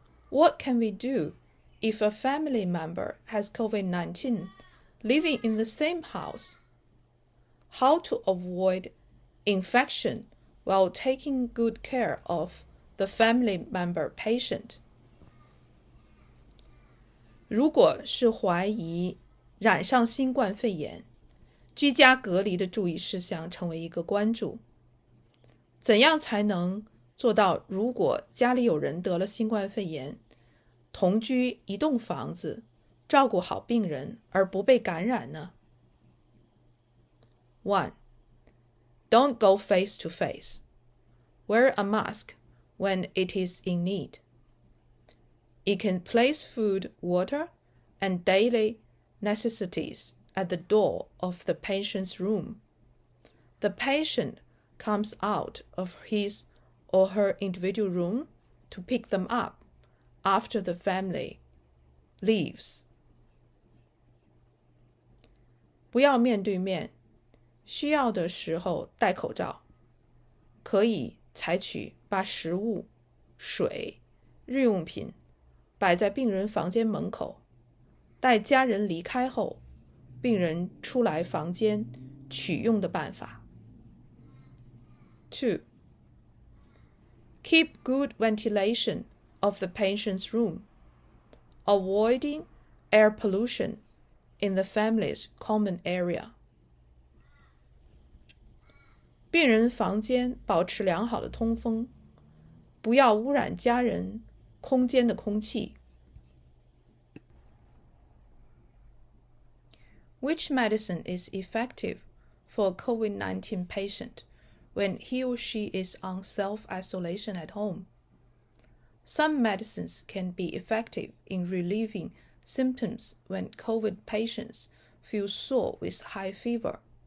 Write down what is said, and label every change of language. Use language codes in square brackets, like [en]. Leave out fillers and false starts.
[en] What can we do if a family member has COVID-19 living in the same house? How to avoid infection while taking good care of the family member patient? [zh] 如果是怀疑染上新冠肺炎，居家隔离的注意事项成为一个关注。怎样才能做到如果家里有人得了新冠肺炎，同居一栋房子，照顾好病人而不被感染呢？ [en] 1. Don't go face to face. Wear a mask when it is in need. It can place food, water, and daily necessities at the door of the patient's room. The patient comes out of his or her individual room to pick them up after the family leaves. [zh] 不要面对面，需要的时候戴口罩，可以采取把食物、水、日用品摆在病人房间门口，待家人离开后病人出来房间取用的办法。 2. [en] Keep good ventilation of the patient's room, avoiding air pollution in the family's common area. [zh] 病人房间保持良好的通风，不要污染家人空间的空气。 [en] Which medicine is effective for a COVID-19 patient when he or she is on self-isolation at home? Some medicines can be effective in relieving symptoms when COVID patients feel sore with high fever.